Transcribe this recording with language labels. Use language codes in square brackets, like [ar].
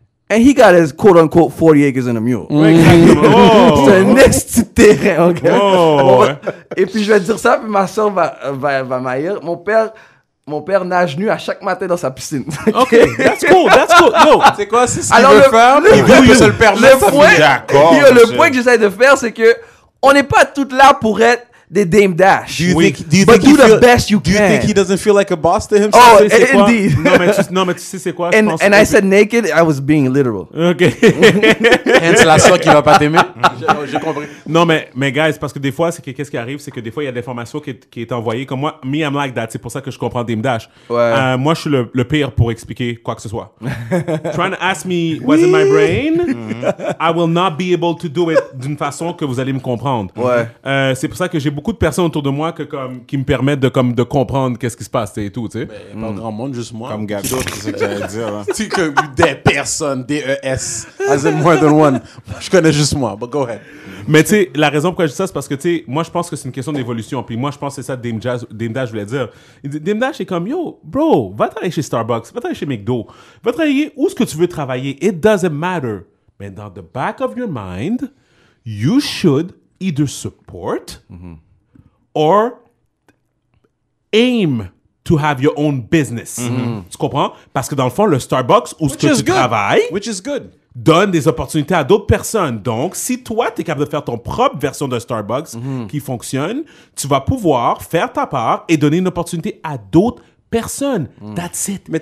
[en] And he got his quote unquote 40 acres and a mule. [fr] C'est un extra terrain, ok? Et puis je vais dire ça, puis ma soeur va m'haïr. Mon père nage nu à chaque matin dans sa piscine. [en] Ok, that's cool. Yo, [fr] c'est quoi si ce qu'il veut faire? Il veut que se le permette. Le point que j'essaie de faire, c'est que on n'est pas toutes là pour être des Dame Dash. [en] Do you think can. Do you think he doesn't feel like a boss to himself? [fr] Oh, tu sais [en] indeed. [fr] Non, mais tu sais c'est quoi? [en] And I said naked, I was being literal. OK. [fr] Hence la soeur qui va pas t'aimer. J'ai compris. Non, mais guys, parce que des fois, c'est que qu'est-ce qui arrive, c'est que des fois, il y a des formations qui est envoyées. Comme moi, [en] me, I'm like that. [fr] C'est pour ça que je comprends Dame Dash. Ouais. Moi, je suis le pire pour expliquer quoi que ce soit. [en] Trying to ask me what's in my brain, I will not be able to do it [fr] d'une façon que vous allez me comprendre. Ouais. C'est pour ça que j'ai beaucoup de personnes autour de moi qui me permettent de comprendre qu'est-ce qui se passe et tout, tu sais. Mais pas grand monde, juste moi. Comme Gabdo, c'est ce que j'allais dire. Hein. Tu sais que des personnes, D-E-S, [en] as in more than one. [fr] Je connais juste moi, [en] but go ahead. [fr] Mais tu sais, la raison pourquoi je dis ça, c'est parce que tu sais, moi je pense que c'est une question d'évolution. Puis moi je pense que c'est ça Dame Dash voulait dire. Dame Dash est comme, [en] yo, bro, [fr] va travailler chez Starbucks, va travailler chez McDo, va travailler où ce que tu veux travailler, [en] it doesn't matter. [fr] Mais dans [en] the back of your mind, you should either support, or aim to have your own business. Mm-hmm. [fr] Tu comprends? Parce que dans le fond, le Starbucks où ce que tu travailles, [en] which is good, [fr] donne des opportunités à d'autres personnes. Donc, si toi, tu es capable de faire ton propre version de Starbucks qui fonctionne, tu vas pouvoir faire ta part et donner une opportunité à d'autres personnes. [en] That's it. [fr] Mais